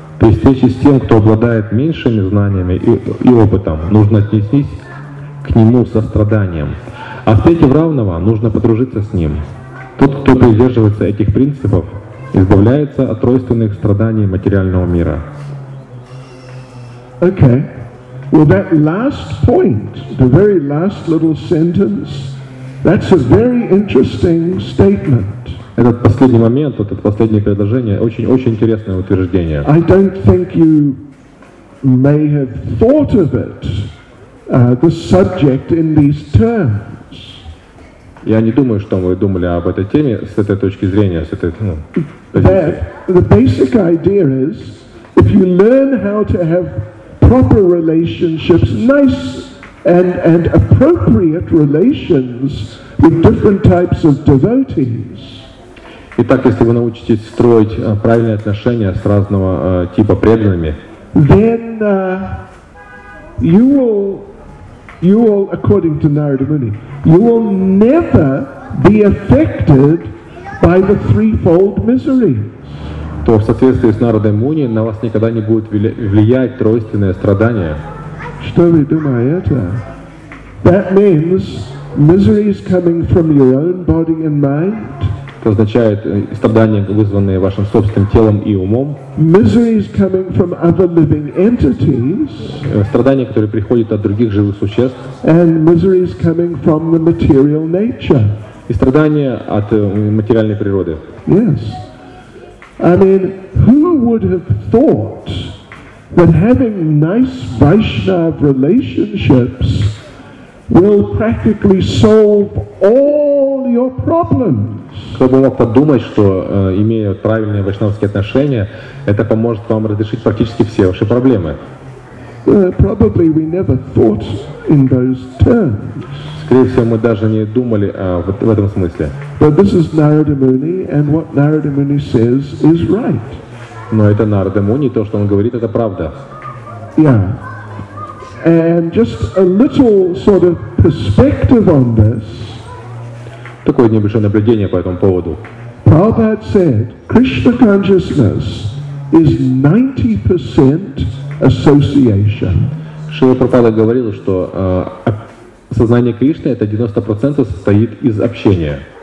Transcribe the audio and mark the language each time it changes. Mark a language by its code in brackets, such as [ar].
[ru] При встрече с тем, кто обладает меньшими знаниями и опытом, нужно отнестись к нему со страданием. А встретив равного, нужно подружиться с ним. Тот, кто придерживается этих принципов, избавляется от тройственных страданий материального мира. [en] Okay, well that last point, the very last little sentence, that's a very interesting statement. [ru] Этот последний момент, вот это последнее предложение, очень-очень интересное утверждение. [en] I don't think you may have thought of it, the subject in these terms. [ru] Я не думаю, что вы думали об этой теме с этой точки зрения, с этой, ну, позиции. [en] The basic idea is, if you learn how to have proper relationships, nice and appropriate relations with different types of devotees. [ru] Итак, если вы научитесь строить правильные отношения с разного типа преданными, [en] then you will, according to Narada Muni, you will never be affected by the threefold misery. [ru] То в соответствии с Нарадой Муни на вас никогда не будет влиять тройственное страдание. Что вы думаете? [en] That means misery is coming from your own body and mind. [ru] Это означает страдания, вызванные вашим собственным телом и умом. [en] Misery is coming from other living entities. [ru] Страдания, которые приходят от других живых существ. [en] And misery is coming from the material nature. [ru] И страдания от материальной природы. [en] Yes. I mean, who would have thought that having nice Vaishnav relationships will practically solve all your problems? [ru] Кто бы мог подумать, что имея правильные вайшнавские отношения, это поможет вам разрешить практически все ваши проблемы? [en] Probably we never thought in those terms. [ru] Скорее всего, мы даже не думали в этом смысле. [en] But this is Narada Muni, and what Narada Muni says is right. [ru] Но это Нарада Муни, то, что он говорит, это правда. [en] Yeah. And just a little sort of perspective on this. [ru] Такое небольшое наблюдение по этому поводу. [en] Prabhupada said, Krishna consciousness is 90% association. [ru] Шрила Прабхупада говорил, что сознание Кришны это 90% состоит из общения.